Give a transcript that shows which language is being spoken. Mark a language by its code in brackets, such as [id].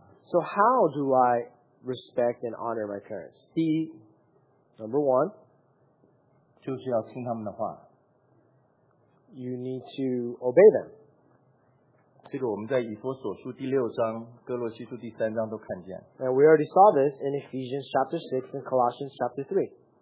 [en] So how do I respect and honor my parents? The number one, [zh] 就是要听他们的话。You [en] need to obey them. [zh] 这个我们在以弗所书第六章、哥罗西书第三章都看见。And [en] we already saw this in Ephesians chapter 6 and Colossians chapter 3.